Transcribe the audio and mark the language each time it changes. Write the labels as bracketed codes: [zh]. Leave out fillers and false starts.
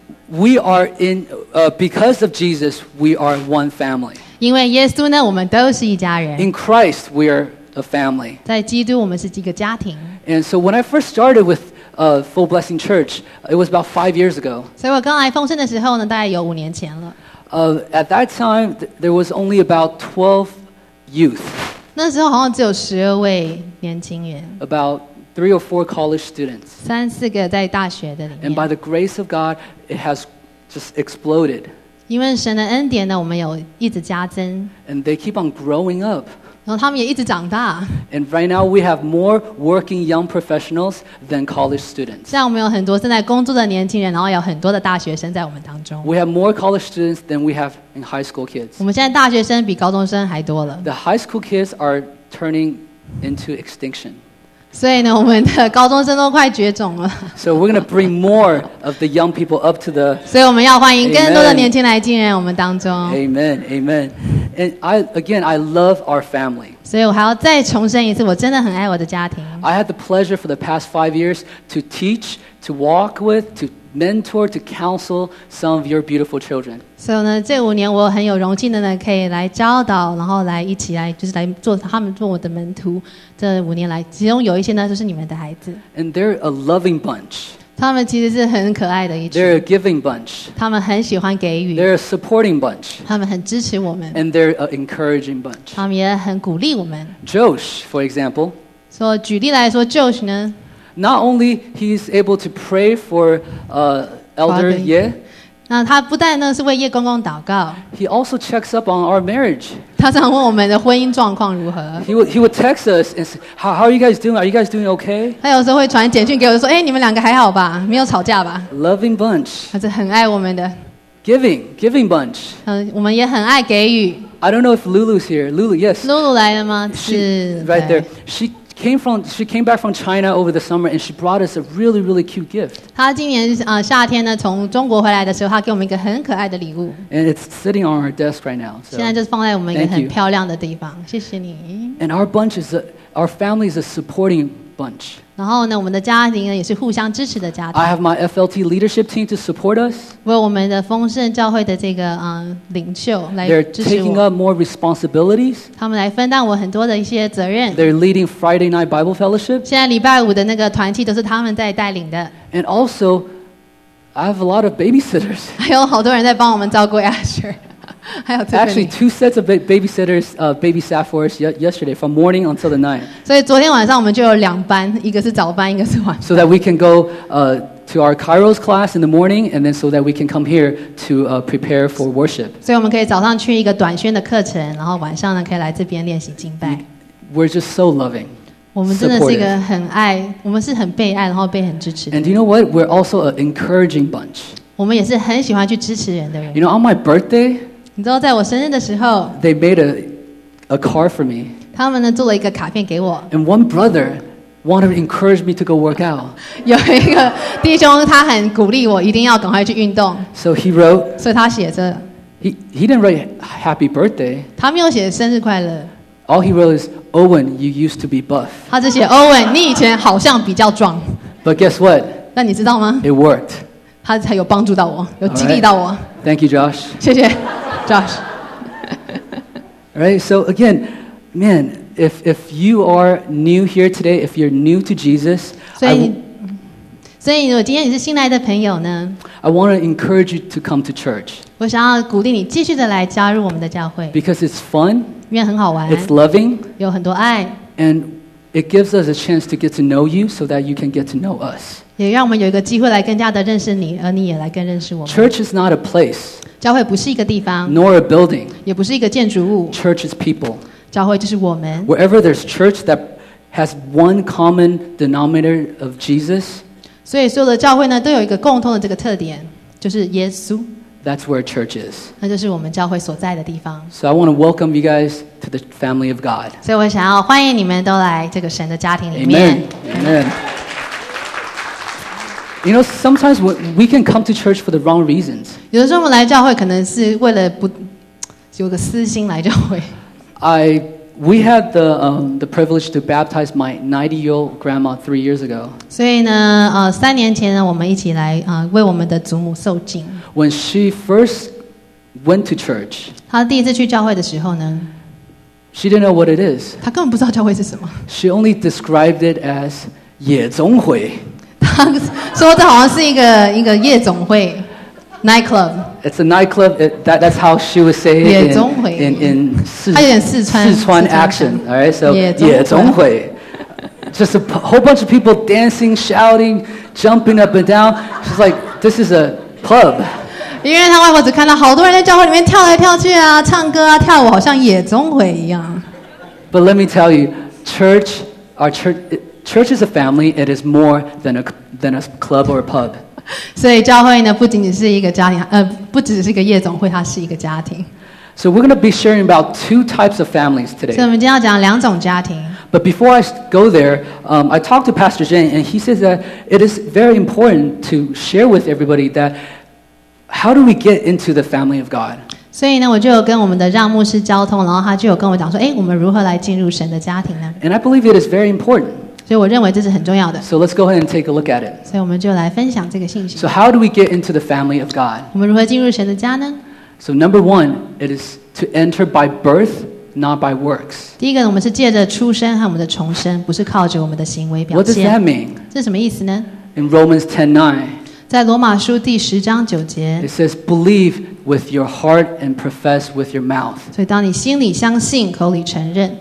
[en] We are in, because of Jesus, we are one family. [zh] 因为耶稣呢, 我们都是一家人。 [en] In Christ, we are a family. [zh] 在基督, 我们是一个家庭。 [en] And so when I first started with Full Blessing Church, it was about 5 years ago. [zh] 所以我刚来奉圣的时候呢, 大概有5年前了。 [en] At that time, there was only about 12 youth. [zh] 那时候好像只有12位年轻人。 [en] About 3 or 4 college students. [zh] 3、4个在大学的里面。 [en] And by the grace of God, it has just exploded. [zh] 因为神的恩典呢，我们有一直加增。 [en] And they keep on growing up. [zh] 然后他们也一直长大。 [en] And right now we have more working young professionals than college students. [zh] 现在我们有很多正在工作的年轻人，然后有很多的大学生在我们当中。 [en] We have more college students than we have in high school kids. [zh] 我们现在大学生比高中生还多了。 [en] The high school kids are turning into extinction. [zh] 所以呢，我们的高中生都快绝种了。 [en] So we're going to bring more of the young people up to the. [zh] 所以我们要欢迎更多的年轻来进入我们当中。 [en] Amen. Amen. And I love our family. [zh] 所以我还要再重申一次，我真的很爱我的家庭。 [en] I had the pleasure for the past 5 years to teach, to walk with, to mentor, to counsel some of your beautiful children. [zh] 所以呢，这五年我很有荣幸的呢，可以来教导，然后来一起来就是来做他们做我的门徒。这五年来，其中有一些呢就是你们的孩子。 [en] And they're a loving bunch. [zh] 他们其实是很可爱的一群。 [en] They're a giving bunch. [zh] 他们很喜欢给予。 [en] They're a supporting bunch. [zh] 他们很支持我们。 [en] And they're an encouraging bunch. [zh] 他们也很鼓励我们。 [en] Josh, for example. [zh] 所以举例来说 ，Josh 呢 [en] ？Not only he's able to pray for Elder Ye. [zh] 那他不但呢是为叶公公祷告。 [en] He also checks up on our marriage. [zh] 他常问我们的婚姻状况如何。 [en] He would text us and say, how are you guys doing? Are you guys doing okay? [zh] 他有时候会传简讯给我说，哎，你们两个还好吧？没有吵架吧 [en] ？Loving bunch. [zh] 他是很爱我们的。 [en] Giving bunch. [zh] 我们也很爱给予。 [en] I don't know if Lulu's here. Lulu, yes. [zh] Lulu 来了吗？是。 [en] Right there. She came back from China over the summer, and she brought us a really, really cute gift. [zh] 她今年夏天呢，从中国回来的时候，她给我们一个很可爱的礼物。 [en] And it's sitting on our desk right now. So, [zh] 现在就是放在我们一个很漂亮的地方。谢谢你。 [en] And our family is a supporting bunch. [zh] 然后呢，我们的家庭呢也是互相支持的家庭。 [en] I have my FLT leadership team to support us. [zh] 为我们的丰盛教会的这个领袖来支持我。 [en] They're taking up more responsibilities. [zh] 他们来分担我很多的一些责任。 [en] They're leading Friday night Bible fellowship. [zh] 现在礼拜五的那个团契都是他们在带领的。 [en] And also, I have a lot of babysitters. [zh] 还有好多人在帮我们照顾 Asher。 [en] Actually, two sets of babysitters babysat for us yesterday from morning until the night. [zh] 所以昨天晚上我们就有两班，一个是早班，一个是晚班。 [en] So that we can go to our Kairos class in the morning, and then so that we can come here to prepare for worship. [zh] 所以我们可以早上去一个短宣的课程，然后晚上呢可以来这边练习敬拜。 [en] We're just so loving. [zh] 我们真的是一个很爱，我们是很被爱，然后被很支持的。 [en] And you know what? We're also an encouraging bunch. [zh] 我们也是很喜欢去支持人的人。 [en] You know, on my birthday. [zh] 你知道在我生日的时候 [en] ，They made a car for me. [zh] 他们呢做了一个卡片给我。 [en] And one brother wanted to encourage me to go work out. [zh] 有一个弟兄，他很鼓励我一定要赶快去运动。 [en] So he wrote. [zh] 所以他写着。 [en] He didn't write happy birthday. [zh] 他没有写生日快乐。 [en] All he wrote is Owen, you used to be buff. [zh] 他只写 Owen, 你以前好像比较壮。 [en] But guess what? [zh] 那你知道吗 [en] ？It worked. [zh] 他才有帮助到我，有激励到我。 [en] All right. Thank you, Josh. [zh] 谢谢。Josh. [en] Right, so again, man, if you are new here today, if you're new to Jesus, [zh] 所以今天你是新来的朋友呢, [en] I want to encourage you to come to church. [zh] 我想要鼓励你继续的来加入我们的教会。 [en] Because it's fun. [zh] 因为很好玩。 [en] It's loving. [zh] 有很多爱。 [en] And it gives us a chance to get to know you so that you can get to know us. [zh] 也让我们有一个机会来更加的认识你，而你也来更认识我们。 [en] Church is not a place. [zh] 教会不是一个地方 [en] ，nor a building， [zh] 也不是一个建筑物。 [en] Church is people， [zh] 教会就是我们。 [en] Wherever there's church that has one common denominator of Jesus， [zh] 所以所有的教会呢都有一个共通的这个特点，就是耶稣。 [en] That's where church is， [zh] 那就是我们教会所在的地方。 [en] So I want to welcome you guys to the family of God， [zh] 所以我想要欢迎你们都来这个神的家庭里面。 [en] Amen. Amen. You know, sometimes we can come to church for the wrong reasons. [zh] 有的时候我们来教会可能是为了不有个私心来教会。 [en] We had the privilege to baptize my 90-year-old grandma 3 years ago. [zh] 所以呢，三年前呢，我们一起来为我们的祖母受浸。 [en] When she first went to church, [zh] 她第一次去教会的时候呢 [en] ，she didn't know what it is. [zh] 她根本不知道教会是什么。 [en] She only described it as 夜总会。 [zh] 说这好像是一个夜总会 nightclub. [en] It's a nightclub. That's how she would say it in [zh] 四川 [en] action. All right, so 夜总会 just a whole bunch of people dancing, shouting, jumping up and down. She's like, this is a pub. [zh] 因为她外婆只看到好多人在教会里面跳来跳去啊，唱歌啊，跳舞，好像夜总会一样。 [en] But let me tell you, church is a family. It is more than a club or a pub. [zh] 所以教会呢，不仅仅是一个家庭，不只是一个夜总会，它是一个家庭。 [en] So we're going to be sharing about two types of families today. [zh] 所以我们今天要讲两种家庭。 [en] But before I go there, I talked to Pastor Jane, and he says that it is very important to share with everybody that how do we get into the family of God? [zh] 所以呢，我就有跟我们的让牧师交通，然后他就有跟我讲说，哎，我们如何来进入神的家庭呢？ [en] And I believe it is very important. [zh] 所以我认为这是很重要的。 [en] So let's go ahead and take a look at it. [zh] 所以我们就来分享这个信息。 [en] So how do we get into the family of God? [zh] 我们如何进入神的家呢？ [en] So number one, it is to enter by birth, not by works. [zh] 第一个，我们是借着出生和我们的重生，不是靠着我们的行为表现。 [en] What does that mean? [zh] 这是什么意思呢？ [en] In Romans 10:9, [zh] 在罗马书第十章九节， [en] it says, "Believe with your heart and profess with your mouth." [zh] 所以，当你心里相信，口里承认。